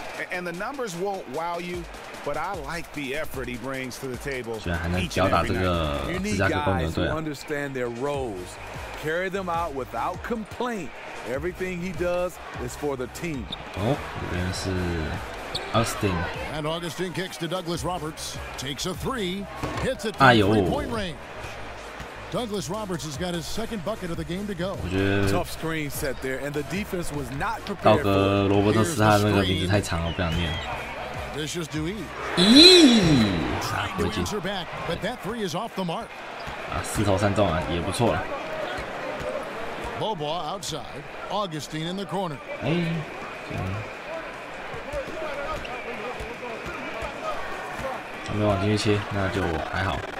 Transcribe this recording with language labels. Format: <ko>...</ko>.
<en>And the numbers won't wow you, but I like the effort he brings to the table.</en> <zh>居然还能吊打这个芝加哥公牛队啊！</zh> <en>Understand their roles, carry them out without complaint. Everything he does is for the team.</en> <zh>哦，这边是。Austin.</zh> <en>And Augustin kicks to Douglas Roberts, takes a three, hits it to 3-point range. Douglas Roberts has got his second bucket of the game to go.</en> <zh>我觉得</zh> <en>tough screen set there, and the defense was not prepared.</en> <zh>道格罗伯特斯他那个名字太长了，不想念。</zh> <en>Vicious Dewey. Trying to answer back, but that three is off the mark.</en> <zh>啊，四投三中啊，也不错了。</zh> <en>Bobois outside, Augustine in the corner.</en> <zh>哎，行。他没往进去切，那就还好。</zh>